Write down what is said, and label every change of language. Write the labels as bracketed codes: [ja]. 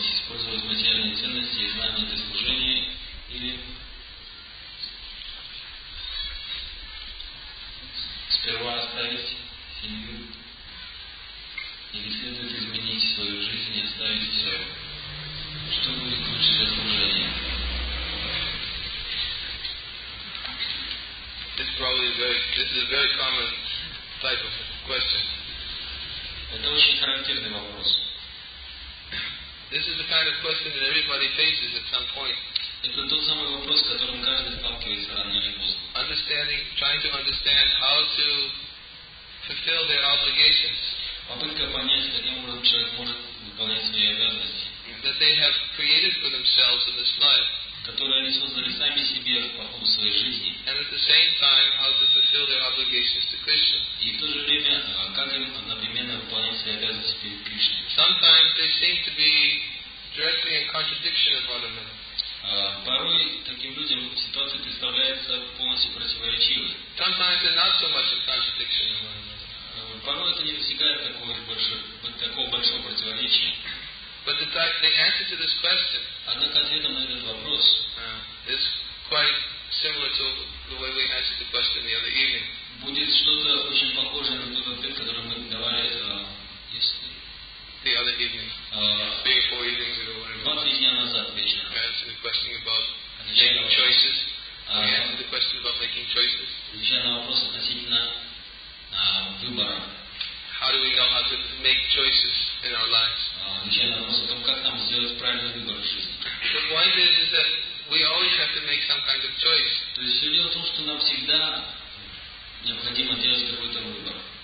[ru] Использовать материальные ценности и знания для служения или сперва оставить семью. Или следует изменить свою жизнь и оставить все, что будет лучше для служения. [en] This is a very common type of question. [ru] Это очень характерный вопрос. [en] This is the kind of question that everybody faces at some point. [ru] Это тот самый вопрос, с которым каждый сталкивается рано или поздно. [en] Understanding, trying to understand how to fulfill their obligations. [ru] Попытка понять, каким образом человек может выполнять свои обязанности. [en] That they have created for themselves in this life. [ru] Которые они создали сами себе в ходе своей жизни. [en] And at the same time, how to fulfill their obligations to Krishna. [ru] И в то же время, как им одновременно выполнять свои обязанности перед Кришной. [en] Sometimes they seem to be directly in contradiction of one another. [ru] Порой таким людям ситуация представляется полностью противоречивой. [en] Sometimes they're not so much in contradiction of one another. [ru] Порой это не достигает такого большого противоречия. [en] But the answer to this question, [ru] однако ответом на этот вопрос, [en] is quite similar to the way we answered the question the other evening. [ru] Будет что-то очень похожее на тот ответ, который мы давали [en] the other evening, three or four evenings ago, whatever. Answered the question about making choices. We answered the question about making choices. [ru] Отвечая на вопрос относительно выбора. [en] How do we know how to make choices in our lives? The point is that we always have to make some kind of choice. [ru] То есть дело в том, что нам всегда необходимо делать какой-то выбор.